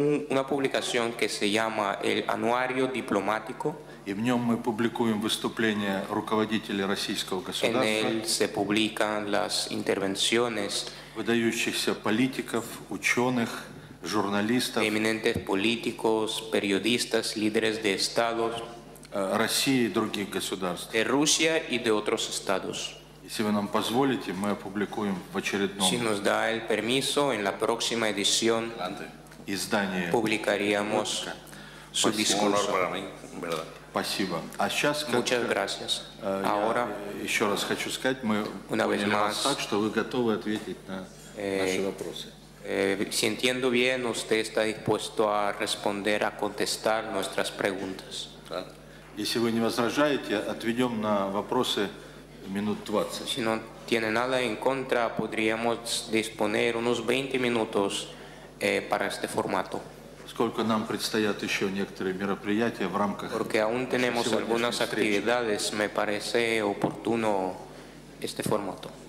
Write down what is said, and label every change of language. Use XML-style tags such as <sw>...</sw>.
<es>Una publicación que se llama el Anuario Diplomático.</es> <ru>И в нем мы публикуем выступления руководителей российского государства.</ru> <es>En él se publican las intervenciones</es> <ru>выдающихся политиков, ученых, журналистов,</ru> <es>eminentes políticos, periodistas, líderes de estados,</es> <ru>России и других государств.</ru> <es>De Rusia y de otros estados.</es> <ru>Если вы нам позволите, мы опубликуем в очередном.</ru> <es>Si nos da el permiso, en la próxima edición,</es> <ru>издание,</ru> <es>publicaríamos su discurso.</es> <ru>Спасибо. А сейчас,</ru> <es>muchas gracias. Ahora,</es> <ru>еще раз хочу сказать, мы поняли вас так, что вы готовы ответить на наши вопросы.</ru> <es>Si entiendo bien, usted está dispuesto a responder, a contestar nuestras preguntas.</es> <ru>Если вы не возражаете, отведем на вопросы минут 20.</ru> <es>Si no tiene nada en contra, podríamos disponer unos 20 minutos para este formato.</es> <ru>поскольку нам предстоят еще некоторые мероприятия в рамках</ru> <es>Porque aún tenemos algunas actividades, me parece oportuno este formato.</es>